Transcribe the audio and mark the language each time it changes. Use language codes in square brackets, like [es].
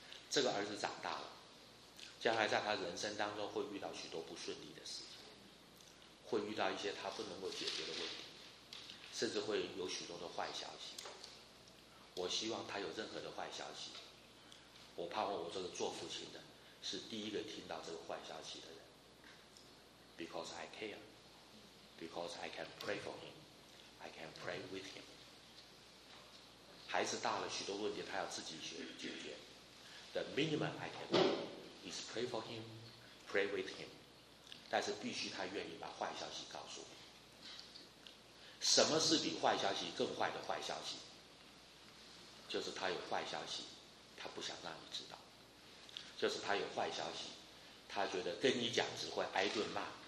[zh] 这个儿子长大了，将来在他人生当中会遇到许多不顺利的事情，会遇到一些他不能够解决的问题，甚至会有许多的坏消息。我希望他有任何的坏消息，我盼望我这个做父亲的是第一个听到这个坏消息的人。 [en] Because I care, because I can pray for him, I can pray with him. [zh] 孩子大了，许多问题他要自己去解决。 [en] The minimum I can do is pray for him, pray with him. [zh] 但是必须他愿意把坏消息告诉我。什么是比坏消息更坏的坏消息？就是他有坏消息，他不想让你知道。就是他有坏消息，他觉得跟你讲只会挨顿骂。